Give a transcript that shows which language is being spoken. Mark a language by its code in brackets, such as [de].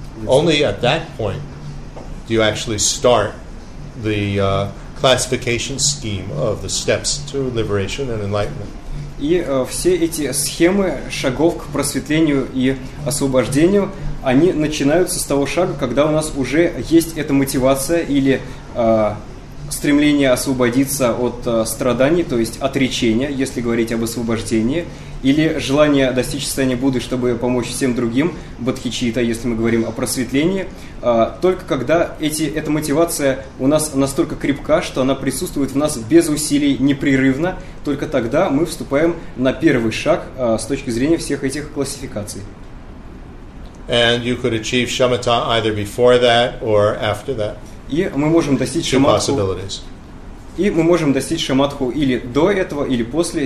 [en] Only at that point do you actually start the classification scheme of the steps to liberation and enlightenment. [ru] И все эти схемы шагов к просветлению и освобождению, они начинаются с того шага, когда у нас уже есть эта мотивация или стремление освободиться от страданий, то есть отречения, если говорить об освобождении, или желание достичь состояния Будды, чтобы помочь всем другим, бодхичитта, если мы говорим о просветлении, только когда эта мотивация у нас настолько крепка, что она присутствует в нас без усилий, непрерывно, только тогда мы вступаем на первый шаг с точки зрения всех этих классификаций. [en] And you could achieve shamatha either before that or after that. [ru] И мы можем достичь шамадху. И мы можем достичь шамадху или до этого, или после.